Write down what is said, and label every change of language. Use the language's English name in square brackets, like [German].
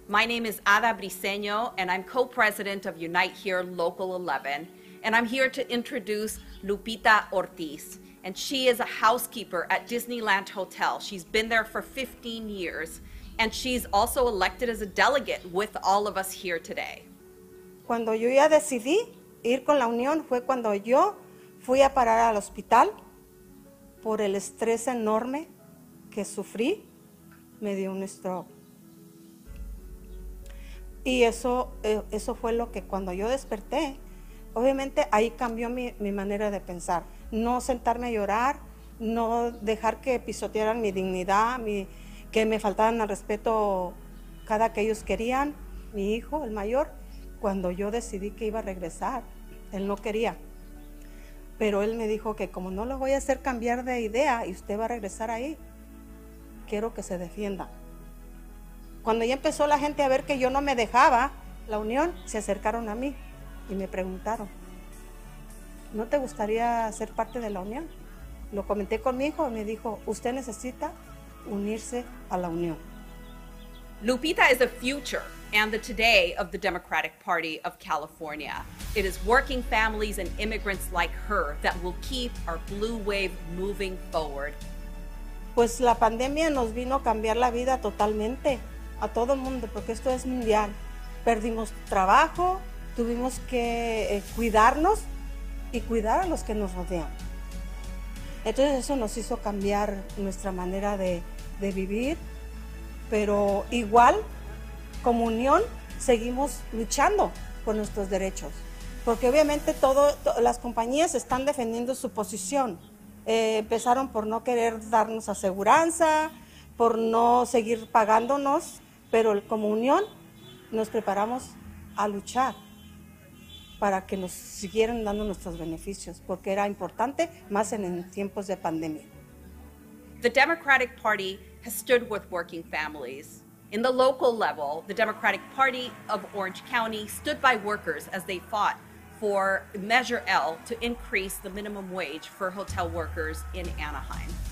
[English] My name is Ada Briseño, and I'm co-president of Unite Here Local 11. And I'm here to introduce Lupita Ortiz. And she is a housekeeper at Disneyland Hotel. She's been there for 15 years. And she's also elected as a delegate with all of us here today. [Spanish] Cuando yo ya decidí ir con la Unión fue cuando yo fui a parar al hospital por el estrés enorme que sufrí. [English] Me dio un stroke. [Spanish] Y eso fue lo que cuando yo desperté, obviamente ahí cambió mi manera de pensar. No sentarme a llorar, no dejar que pisotearan mi dignidad, que me faltaban al respeto cada que ellos querían, mi hijo, el mayor, cuando yo decidí que iba a regresar, él no quería. Pero él me dijo que como no lo voy a hacer cambiar de idea y usted va a regresar ahí, quiero que se defienda. Cuando ya empezó la gente a ver que yo no me dejaba la Unión, se acercaron a mí y me preguntaron, ¿no te gustaría ser parte de la Unión? Lo comenté con mi hijo y me dijo, usted necesita unirse a la Unión. [English] Lupita is the future and the today of the Democratic Party of California. It is working families and immigrants like her that will keep our blue wave moving forward. [Spanish] Pues la pandemia nos vino a cambiar la vida totalmente a todo el mundo porque esto es mundial. Perdimos trabajo, tuvimos que cuidarnos y cuidar a los que nos rodean. Entonces eso nos hizo cambiar nuestra manera de vivir, pero igual, como Unión, seguimos luchando por nuestros derechos. Porque obviamente las compañías están defendiendo su posición. Empezaron por no querer darnos aseguranza, por no seguir pagándonos, pero como Unión nos preparamos a luchar para que nos siguieran dando nuestros beneficios, porque era importante más en tiempos de pandemia. [English] The Democratic Party has stood with working families. In the local level, the Democratic Party of Orange County stood by workers as they fought for Measure L to increase the minimum wage for hotel workers in Anaheim.